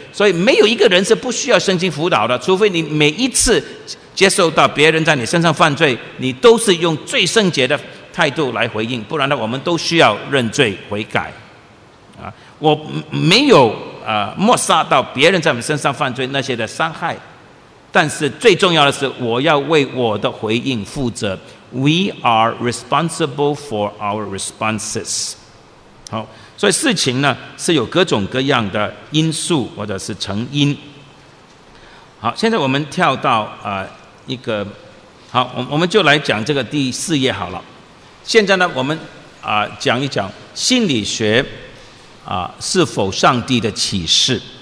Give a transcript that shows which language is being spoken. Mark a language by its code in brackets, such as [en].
[zh] 所以没有一个人是不需要圣经辅导的，除非你每一次接受到别人在你身上犯罪，你都是用最圣洁的态度来回应，不然呢，我们都需要认罪悔改。我没有抹杀到别人在我们身上犯罪那些的伤害，但是最重要的是我要为我的回应负责。 [en] We are responsible for our responses。 [zh] 好，所以事情呢是有各种各样的因素或者是成因。好，现在我们跳到一个，好，我们就来讲这个第四页好了。现在呢我们讲一讲心理学是否上帝的启示。